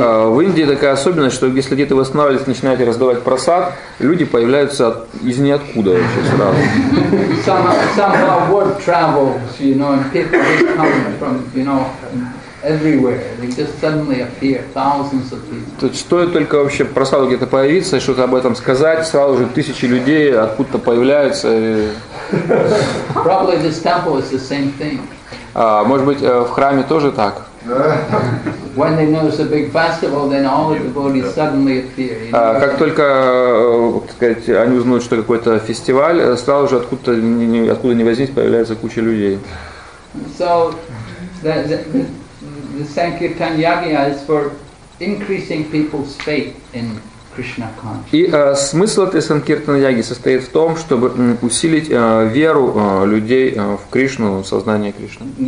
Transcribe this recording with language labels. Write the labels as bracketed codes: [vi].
[ru] В Индии такая особенность, что если где-то вы останавливаетесь, начинаете раздавать просад, люди появляются из ниоткуда вообще сразу. [en] Somehow word travels, you know, and people come from, you know, everywhere. They just suddenly appear, thousands of people. [ru] То есть стоит только вообще просаду где-то появиться, что-то об этом сказать, сразу же тысячи людей откуда-то появляются. [en] Probably this temple is the same thing. [ru] Может быть, в храме тоже так? [en] When they know it's a big festival, then all the devotees suddenly appear. [ru] Как только, так сказать, они узнают, что какой-то фестиваль, сразу же откуда ни возьмись, появляется куча людей. [en] So the Sankirtan Yagya is for increasing people's faith in [ru] И смысл этой санкиртана-яги состоит в том, чтобы усилить веру людей в Кришну, в сознание Кришны.